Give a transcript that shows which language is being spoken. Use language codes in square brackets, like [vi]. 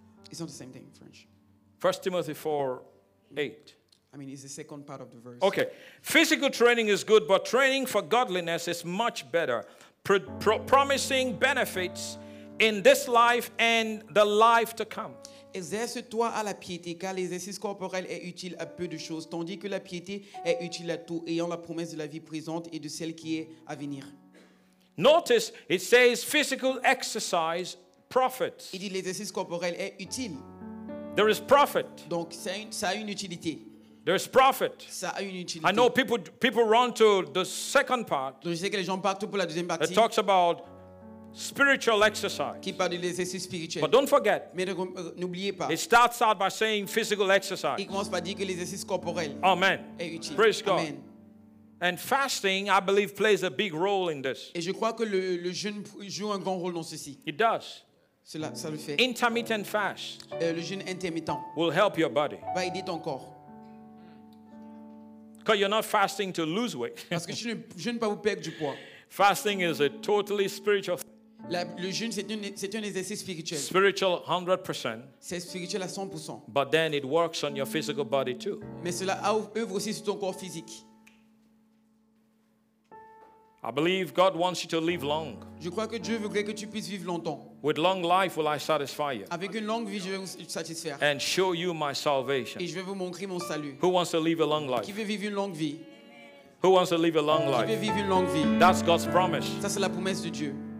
[en] It's not the same thing in French. 1 Timothy 4:8. I mean, it's the second part of the verse. Okay. Physical training is good, but training for godliness is much better, promising benefits in this life and the life to come. [fr] Exerce-toi à la piété, car l'exercice corporel est utile à peu de choses, tandis que la piété est utile à tout, ayant la promesse de la vie présente et de celle qui est à venir. [en] Notice, it says physical exercise profits. [fr] Il dit l'exercice corporel est utile. [en] There is profit. [fr] Donc, ça a une utilité. [en] There is profit. [fr] Ça a une utilité. [en] I know people run to the second part. [fr] Donc, je sais que les gens partent pour la deuxième partie. [en] It talks about spiritual exercise. [fr] Qui parle de l'exercice spirituel. [en] But don't forget. [fr] Mais n'oubliez pas. [en] It starts out by saying physical exercise. [fr] Il commence par dire que l'exercice corporel. [en] Amen. [fr] Est utile. [en] Praise God. [fr] Amen. [en] And fasting, I believe, plays a big role in this. [fr] Et je crois que le jeûne joue un grand rôle dans ceci. [en] It does. [fr] Cela, ça le fait. [en] Intermittent fast. [fr] Le jeûne intermittent. [en] Will help your body. [fr] Va aider ton corps. [en] Because you're not fasting to lose weight. [fr] Parce que je ne pas vous perdre du poids. [en] Fasting is a totally spiritual thing. [fr] Le jeûne, c'est un exercice spirituel. [en] Spiritual 100%. [fr] C'est spirituel à 100%. [en] But then it works on your physical body too. [fr] Mais cela œuvre aussi sur ton corps physique. [en] I believe God wants you to live long. [fr] Je crois que Dieu voudrait que tu puisses vivre longtemps. [en] With long life will I satisfy you. [fr] Avec une longue vie, je vais vous satisfaire. [en] And show you my salvation. [fr] Et je vais vous montrer mon salut. [en] Who wants to live a long life? [fr] Qui veut vivre une longue vie? [en] Who wants to live a long life? [fr] Qui veut vivre une longue vie? [en] That's God's promise. [fr] Ça, c'est la promesse de Dieu.